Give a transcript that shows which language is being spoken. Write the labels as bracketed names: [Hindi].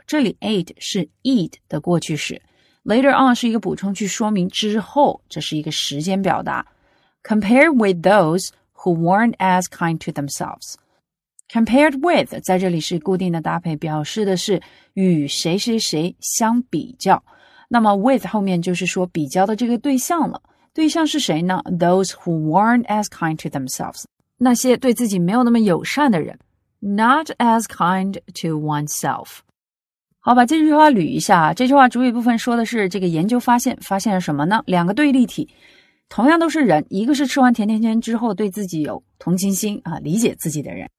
[Chinese] 这里 ate 是 eat 的过去式， later on 是一个补充去说明之后，这是一个时间表达。 [English] compared with those who weren't as kind to themselves, compared with [Chinese] 在这里是固定的搭配，表示的是与谁谁谁相比较。那么 with 后面就是说比较的这个对象了，对象是谁呢 [English] ?Those who weren't as kind to themselves. [Chinese] 那些对自己没有那么友善的人。 [English] Not as kind to oneself. [Chinese] 好，把这句话捋一下。这句话主语部分说的是这个研究发现了什么呢？两个对立体。同样都是人，一个是吃完甜甜圈之后对自己有同情心啊，理解自己的人。